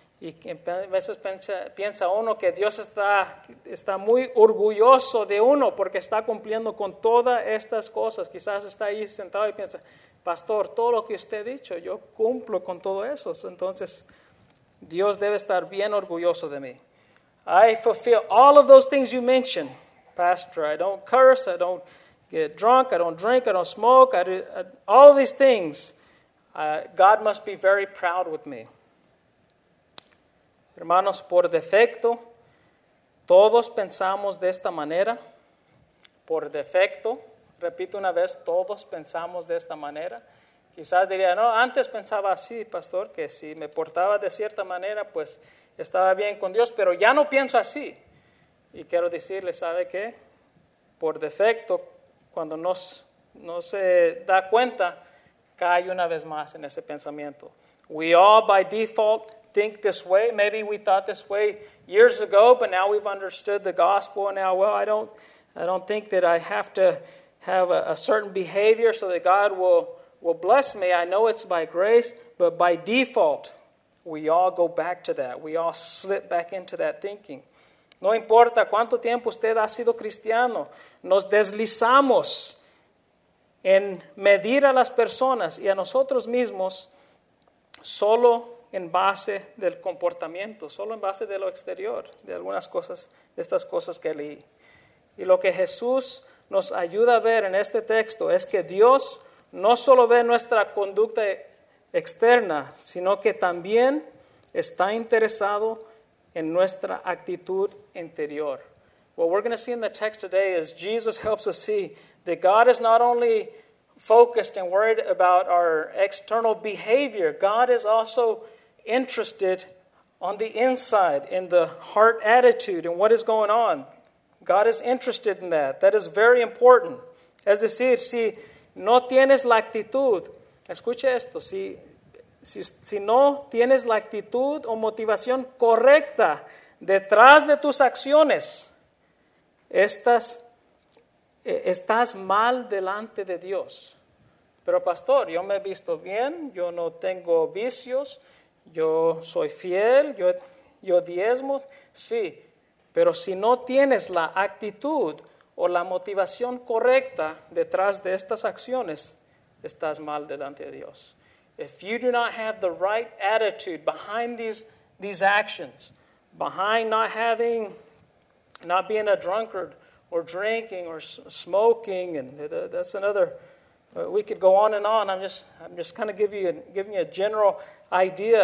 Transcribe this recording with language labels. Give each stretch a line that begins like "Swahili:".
Spanish: Y que a veces piensa uno que Dios está muy orgulloso de uno porque está cumpliendo con todas estas cosas. Quizás está ahí sentado y piensa, pastor, todo lo que usted ha dicho, yo cumplo con todo eso. Entonces, Dios debe estar bien orgulloso de mí.
English: I fulfill all of those things you mentioned, pastor. I don't curse, I don't get drunk, I don't drink, I don't smoke. All of these things, God must be very proud with me.
Spanish: Hermanos, por defecto, todos pensamos de esta manera. Por defecto, repito una vez, todos pensamos de esta manera. Quizás diría, no, antes pensaba así, pastor, que si me portaba de cierta manera, pues estaba bien con Dios, pero ya no pienso así. Y quiero decirle, ¿sabe qué? Por defecto, cuando no se da cuenta, cae una vez más en ese pensamiento.
English: We all by default think this way. Maybe we thought this way years ago, but now we've understood the gospel. And now, well, I don't think that I have to have a certain behavior so that God will bless me. I know it's by grace, but by default, we all go back to that. We all slip back into that thinking.
Spanish: No importa cuánto tiempo usted ha sido cristiano, nos deslizamos en medir a las personas y a nosotros mismos solo en base del comportamiento, solo en base de lo exterior, de algunas cosas, de estas cosas que leí. Y lo que Jesús nos ayuda a ver en este texto es que Dios no solo ve nuestra conducta externa, sino que también está interesado en nuestra actitud interior.
English: What we're going to see in the text today is Jesus helps us see that God is not only focused and worried about our external behavior, God is also interested on the inside, in the heart attitude, and what is going on. God is interested in that. That is very important.
Spanish: Es decir, si no tienes la actitud, escuche esto, si no tienes la actitud o motivación correcta detrás de tus acciones, estás mal delante de Dios. Pero pastor, yo me he visto bien, yo no tengo vicios, yo soy fiel, yo diezmo, sí, pero si no tienes la actitud o la motivación correcta detrás de estas acciones, estás mal delante de Dios.
English: If you do not have the right attitude behind these actions, behind not being a drunkard or drinking or smoking, and that's another, we could go on and on. I'm just kind of giving you a general idea.